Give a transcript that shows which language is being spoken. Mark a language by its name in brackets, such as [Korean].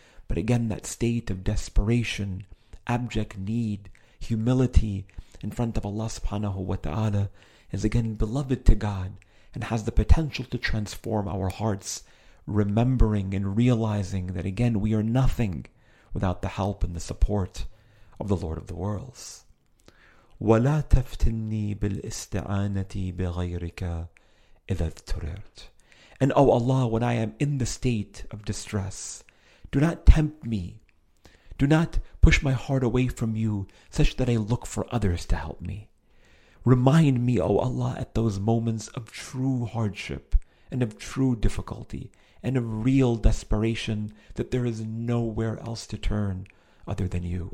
[English] But again, that state of desperation, abject need, humility in front of Allah subhanahu wa ta'ala is again beloved to God and has the potential to transform our hearts, remembering and realizing that again, we are nothing without the help and the support of the Lord of the worlds. [Arabic] ولا تفتني بالاستعانة بغيرك إذا اضطررت. [English] And O Allah, when I am in the state of distress, do not tempt me. Do not push my heart away from You such that I look for others to help me. Remind me, O Allah, at those moments of true hardship and of true difficulty and of real desperation that there is nowhere else to turn other than You.